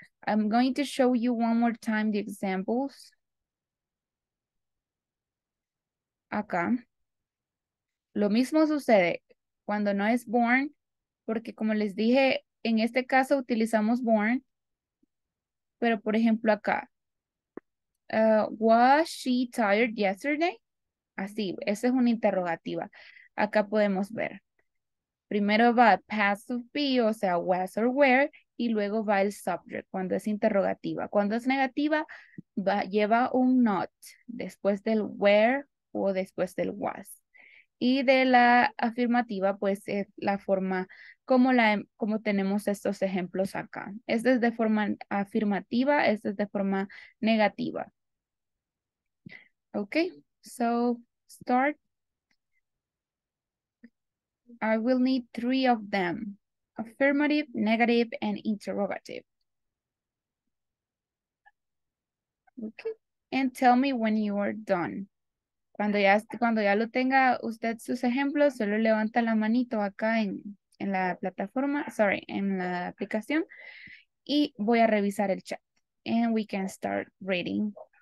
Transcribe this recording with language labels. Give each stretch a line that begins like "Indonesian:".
English: I'm going to show you one more time the examples.
Spanish: Acá. Lo mismo sucede cuando no es born, porque como les dije, en este caso utilizamos born. Pero por ejemplo acá.
English: Was she tired yesterday?
Spanish: Así, esa es una interrogativa. Acá podemos ver. Primero va passive be, o sea,
English: was or were,
Spanish: y luego va el subject, cuando es interrogativa. Cuando es negativa, lleva un not, después del were o después del was. Y de la afirmativa, pues es la forma como tenemos estos ejemplos acá. Esta es de forma afirmativa, esta es de forma negativa.
English: Ok, so start. I will need three of them, affirmative, negative, and interrogative. Okay, and tell me when you are done.
Spanish: Cuando ya lo tenga usted sus ejemplos, solo levanta la manito acá en la plataforma, sorry, en la aplicación, y voy a revisar el chat.
English: And we can start reading.